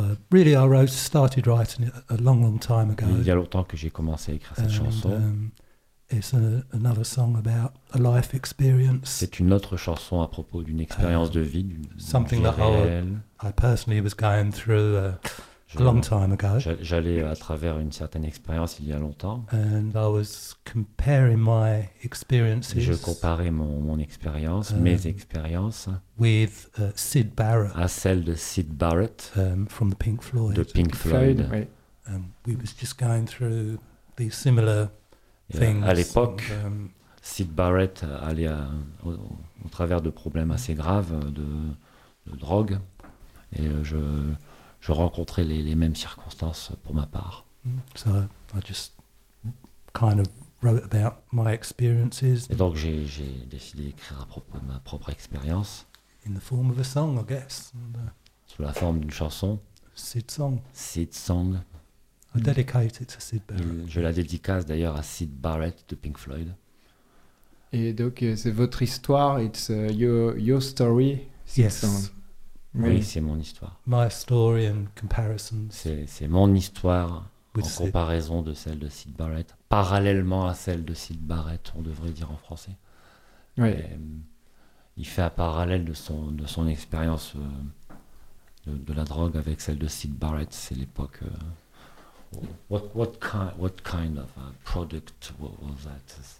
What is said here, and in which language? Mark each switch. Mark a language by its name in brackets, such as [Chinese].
[English] Really, I started writing it a long, long time ago. [French] Il y a longtemps que j'ai commencé à écrire cette chanson. [English] It's another song about a life experience. [French] C'est une autre chanson à propos d'une expérience de vie, d'une [English] something [French] vie [English] that [French] réelle. [English] I personally was going through a long time ago. [French] J'allais à travers une certaine expérience il y a longtemps. [English] And I was comparing my experiences. [French] Et je comparais mon expérience, mes expériences, [English] with Syd Barrett. [French] À celle de Syd Barrett. [English] From the Pink Floyd. [French] De Pink Floyd. [English] We was just going through these similar things. [French] À l'époque, Syd Barrett allait au travers de problèmes assez graves de drogue, et je rencontrais les mêmes circonstances pour ma part. [English] So I just kind of wrote about my experiences. [French] Et donc j'ai décidé d'écrire à propos de ma propre expérience. [English] In the form of a song, I guess. [French] Sous la forme d'une chanson. [English] Seeds Song. I dedicate it to Syd Barrett. [French] Je la dédicace d'ailleurs à Syd Barrett de Pink Floyd. Et donc c'est votre histoire, [English] it's your story, [French] Syd [English] yes. Song. [French] Oui, c'est mon histoire. [English] My story and comparisons. [French] C'est mon histoire en comparaison de celle de Syd Barrett, parallèlement à celle de Syd Barrett, on devrait dire en français. Oui. Il fait un parallèle de son expérience de la drogue avec celle de Syd Barrett. C'est l'époque. [English] What kind of product was that?